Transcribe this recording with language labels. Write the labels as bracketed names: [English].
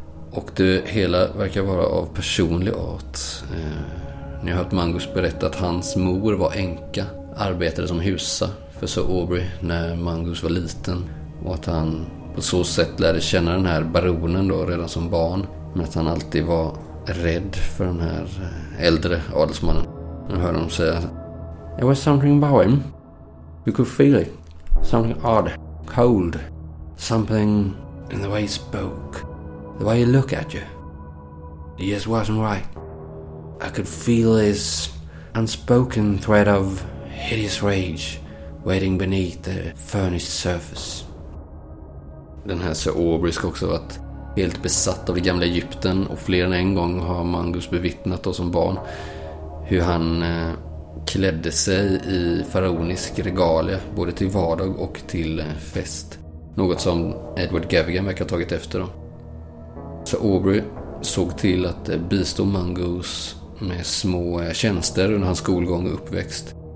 [Swedish] Och det hela verkar vara av personlig art. Ni har hört Mungoose berätta att hans mor var änka, arbetade som husa för Sir Aubrey när Mungoose var liten. Och att han på så sätt lärde känna den här baronen då redan som barn. Men att han alltid var rädd för den här äldre adelsmannen. Nu hör de säga: [English] "There was something about him. You could feel it. Something odd. Cold. Something... in the way he spoke, the way he looked at you, he just wasn't right. I could feel his unspoken thread of hideous rage waiting beneath the furnished surface." [Swedish] Den här Sir Aubrey ska också varit helt besatt av det gamla Egypten, och fler än en gång har Mungoose bevittnat då som barn hur han klädde sig i faraonisk regalia både till vardag och till fest. Något som Edward Gavigan verkar ha tagit efter dem. Sir Aubrey såg till att bistå Mungoose med små tjänster under hans skolgång och uppväxt.